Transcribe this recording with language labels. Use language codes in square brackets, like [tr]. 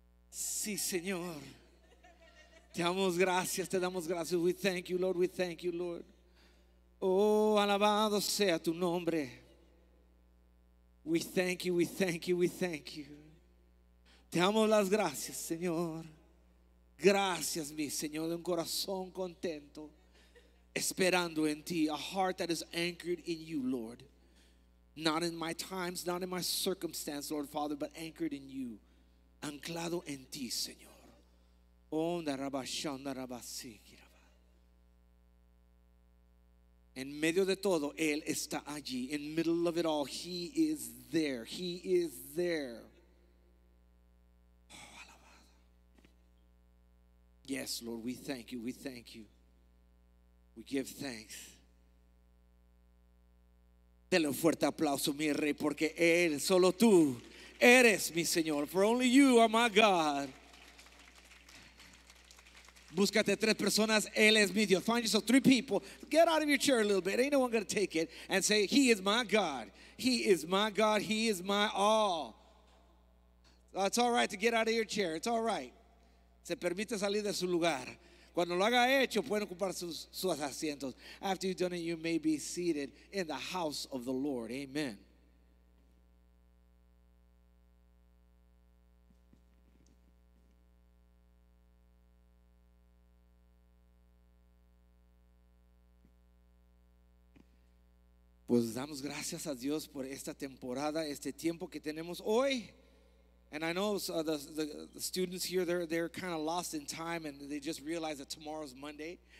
[es] Sí, Señor. Te damos gracias, te damos gracias. [en] We thank you, Lord, we thank you, Lord. [es] Oh, alabado sea tu nombre. [en] We thank you, we thank you, we thank you. [es] Te damos las gracias, Señor. Gracias, mi Señor, de un corazón contento, esperando en ti. [en] A heart that is anchored in you, Lord. Not in my times, not in my circumstance, Lord, Father, but anchored in you. [es] Anclado en ti, Señor. Onda rabashan, rabasikiraba. En medio de todo, Él está allí. [en] In the middle of it all, He is there. He is there. [es] Oh, alabado. [en] Yes, Lord, we thank you. We thank you. We give thanks. [es] Dele un fuerte aplauso, mi rey, porque Él, solo tú. Eres mi Señor, [en] for only you are my God. [es] Búscate tres personas, Él es mi Dios. [en] Find yourself three people. Get out of your chair a little bit. Ain't no one gonna take it. And say, He is my God. He is my God. He is my all. It's all right to get out of your chair. It's all right. [es] Se permite salir de su lugar. Cuando lo haga hecho, pueden ocupar sus asientos. [en] After you've done it, you may be seated in the house of the Lord. Amen. [es] Pues damos gracias a Dios por esta temporada, este tiempo que tenemos hoy. [en] And I know the students here, they're kind of lost in time and they just realize that tomorrow's Monday.